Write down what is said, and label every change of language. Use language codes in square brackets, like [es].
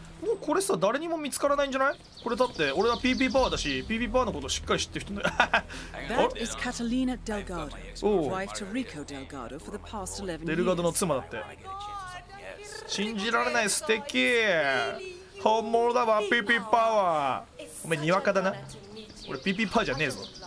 [ja] もうこれさ、誰にも見つからないんじゃない。これだって俺は PP パワーだし、 PP パワーのことしっかり知ってる人だよ。 [en] That is Catalina Delgado, wife to Rico Delgado for the past 11 years。 [ja] デルガドの妻だって。信じられない、素敵、本物だわ、ピピパワー。おめえにわかだな。俺ピピパワーじゃねえぞ。